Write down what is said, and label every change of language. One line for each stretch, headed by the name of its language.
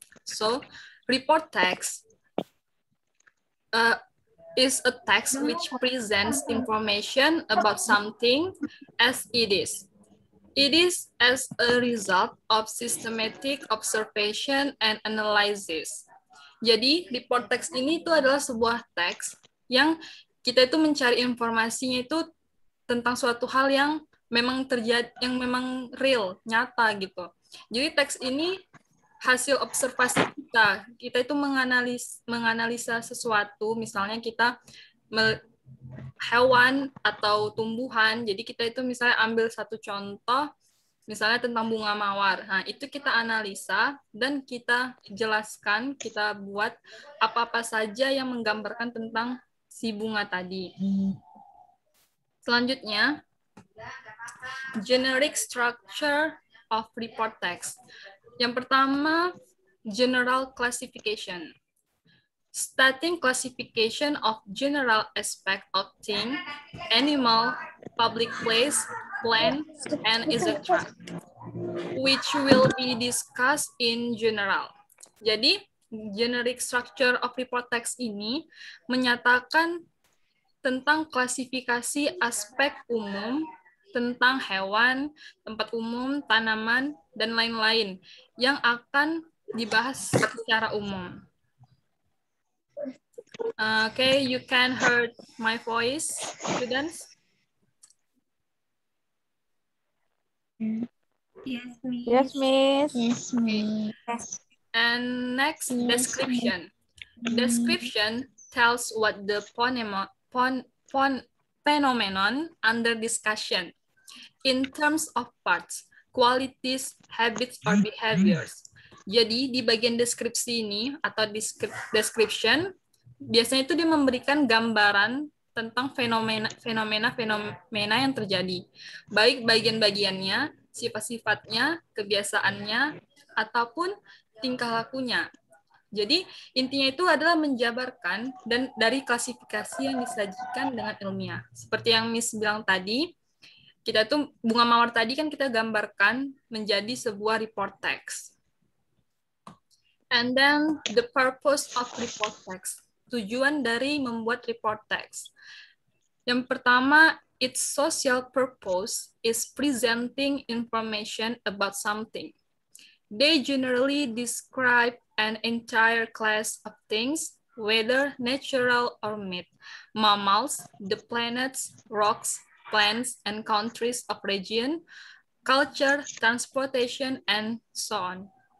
English: So, report text is a text which presents information about something as it is. It is as a result of systematic observation and analysis.
Indonesian: Jadi, report text ini itu adalah sebuah teks yang kita itu mencari informasinya itu tentang suatu hal yang memang terjadi, yang memang real, nyata gitu. Jadi, teks ini hasil observasi kita. Kita itu menganalisa sesuatu, misalnya kita hewan atau tumbuhan. Jadi kita itu misalnya ambil satu contoh, misalnya tentang bunga mawar. Nah, itu kita analisa dan kita jelaskan, kita buat apa-apa saja yang menggambarkan tentang si bunga tadi. Selanjutnya,
English: generic structure of report text.
Indonesian: Yang pertama,
English: general classification. Stating classification of general aspect of thing, animal, public place, plant, and etc., which will be discussed in general.
Indonesian: Jadi,
English: generic structure of report text
Indonesian: ini menyatakan tentang klasifikasi aspek umum tentang hewan, tempat umum, tanaman, dan lain-lain yang akan dibahas secara umum.
English: Okay, you can hear my voice, students? Yes, Miss. Yes, Miss. And next, description. Description tells what the phenomenon under discussion in terms of parts, qualities, habits, or behaviors.
Indonesian: Jadi, di bagian deskripsi ini, atau description, biasanya itu dia memberikan gambaran tentang fenomena yang terjadi. Baik bagian-bagiannya, sifat-sifatnya, kebiasaannya, ataupun tingkah lakunya. Jadi, intinya itu adalah menjabarkan dan dari klasifikasi yang disajikan dengan ilmiah. Seperti yang Miss bilang tadi, kita tuh bunga mawar tadi kan kita gambarkan menjadi sebuah report text.
English: And then the purpose of report text.
Indonesian: Tujuan dari membuat report text. Yang pertama,
English: its social purpose is presenting information about something. They generally describe an entire class of things, whether natural or made, mammals, the planets, rocks, plants, and countries of region, culture, transportation, and so on.